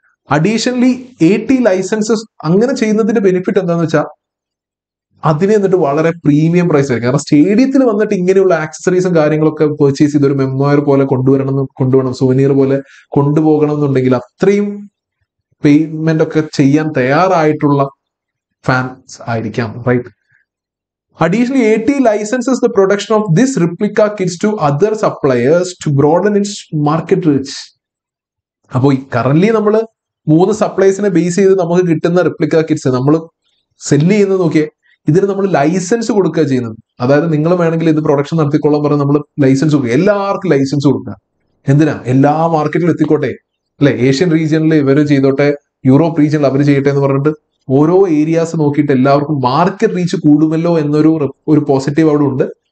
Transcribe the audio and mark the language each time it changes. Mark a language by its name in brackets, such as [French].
[Malayalam] Additionally 80 licences അങ്ങനെ ചെയ്യുന്നതിന്റെ benefit എന്താണെന്ന് വെച്ചാൽ അതിന് എന്നിട്ട് വളരെ പ്രീമിയം പ്രൈസ് ആയിരിക്കും, കാരണം സ്റ്റേഡിയത്തിൽ വന്നിട്ട് ഇങ്ങനെയുള്ള ആക്സസറീസും കാര്യങ്ങളൊക്കെ പെർച്ചേസ് ചെയ്ത് ഒരു മെമ്മോയർ പോലെ കൊണ്ടുവരണം, കൊണ്ടുവരണം സുവനീർ പോലെ കൊണ്ടുപോകണം എന്നുണ്ടെങ്കിൽ അത്രയും പേയ്മെന്റ് ഒക്കെ ചെയ്യാൻ തയ്യാറായിട്ടുള്ള ഫാൻസ് ആയിരിക്കാം right. [English] Additionally, 80 licenses the production of this replica kits to other suppliers to broaden its market reach. [Malayalam] അപ്പോൾ കറന്റ്ലി നമ്മൾ 3 സപ്ലൈസിനെ ബേസ് ചെയ്ത് നമുക്ക് കിട്ടുന്ന റിപ്ലിക്ക കിറ്റ്സ് നമ്മൾ സെല്ല് ചെയ്യുന്നത് നോക്കിയാൽ ഇതിന് നമ്മൾ ലൈസൻസ് കൊടുക്കുക ചെയ്യുന്നത്, അതായത് നിങ്ങൾ വേണമെങ്കിൽ ഇത് പ്രൊഡക്ഷൻ നടത്തിക്കൊള്ളാൻ പറഞ്ഞ് നമ്മൾ ലൈസൻസ് കൊടുക്കുക, എല്ലാവർക്കും ലൈസൻസ് കൊടുക്കുക. എന്തിനാ, എല്ലാ മാർക്കറ്റിലും എത്തിക്കോട്ടെ അല്ലെ, ഏഷ്യൻ റീജിയനിൽ ഇവർ ചെയ്തോട്ടെ, യൂറോപ്പ് റീജിയനിൽ അവർ ചെയ്യട്ടെ എന്ന് പറഞ്ഞിട്ട് ഓരോ ഏരിയാസ് നോക്കിയിട്ട് എല്ലാവർക്കും മാർക്കറ്റ് റീച്ച് കൂടുമല്ലോ എന്നൊരു ഒരു പോസിറ്റീവ് അവിടെ ഉണ്ട്.